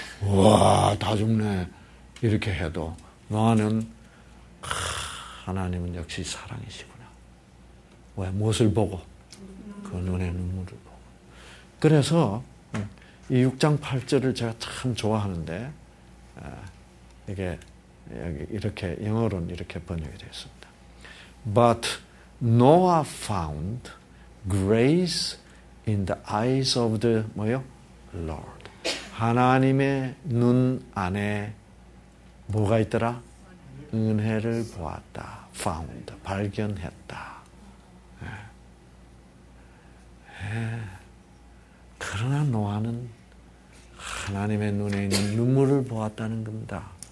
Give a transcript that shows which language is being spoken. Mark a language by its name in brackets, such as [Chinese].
[Korean] 와, 다 죽네. 이렇게 해도 너는 하나님은 역시 사랑이시구나. 왜? 무엇을 보고? 그 눈에 눈물을 보고. 그래서 이 6장 8절을 제가 참 좋아하는데 이게 여기 이렇게 영어로는 이렇게 번역이 되었습니다. [English] But Noah found grace in the eyes of the [Korean] 뭐요? [English] Lord. [Korean] 하나님의 눈 안에 뭐가 있더라? 은혜를 보았다. Found. 발견했다. 예. 예. 그러나 노아는 하나님의 눈에 있는 눈물을 보았다는 겁니다.